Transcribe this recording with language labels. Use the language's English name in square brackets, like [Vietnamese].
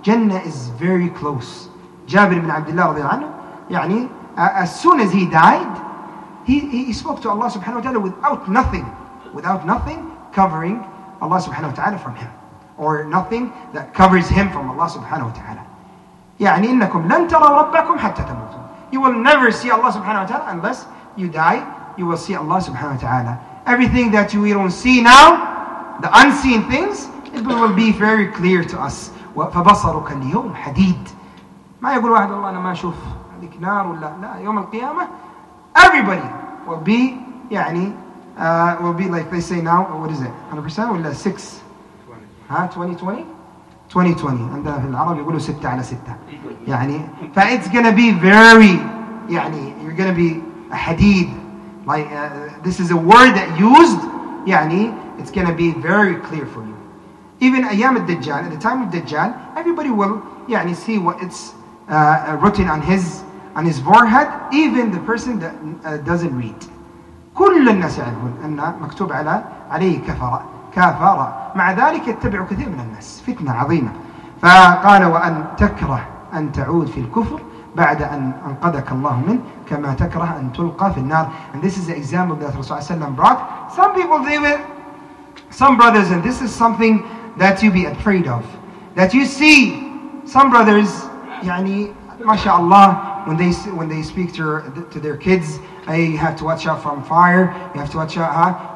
[English] Jannah is very close. Jabir ibn Abdullah رضي الله عنه, يعني, as soon as he died, he spoke to Allah subhanahu wa ta'ala without nothing covering Allah subhanahu wa ta'ala from him. Or nothing that covers him from Allah subhanahu wa ta'ala. [Arabic] يعني إنكم لن تروا ربكم حتى تموتوا. [English] You will never see Allah subhanahu wa ta'ala unless you die, you will see Allah subhanahu wa ta'ala. Everything that we don't see now, the unseen things, it will be very clear to us. [Arabic] فَبَصَرُكَ الْيَوْمْ حَدِيدٌ. ما يقول واحد الله أنا ما أشوف هذيك نار ولا لا يوم القيامة. [English] Everybody will be, يعني, will be like they say now, what is it, 100% ولا 6? 2020. 2020. [Arabic] عندنا في العرب يقولوا 6 على 6. [English] يعني, it's gonna be very, يعني, you're gonna be a hadith, like this is a word that used, يعني, it's gonna be very clear for you. Even ayam al-dajjal, at the time of Dajjal, everybody will, يعني, see what it's written on his forehead, even the person that doesn't read. [Arabic] كل الناس يعلمون أن مكتوب على عليه كفرة كافرة. مع ذلك يتبع كثير من الناس فتنة عظيمة. فقال وأن تكره أن تعود في الكفر بعد أن أنقذك الله منه كما تكره أن تلقى في النار. [English] And this is the example that Rasulullah صلى الله عليه وسلم brought. Some people, they will, some brothers, and this is something that you be afraid of, that you see some brothers, يعني ما شاء الله, when they speak to their kids, hey, you have to watch out from fire, you have to watch out, huh?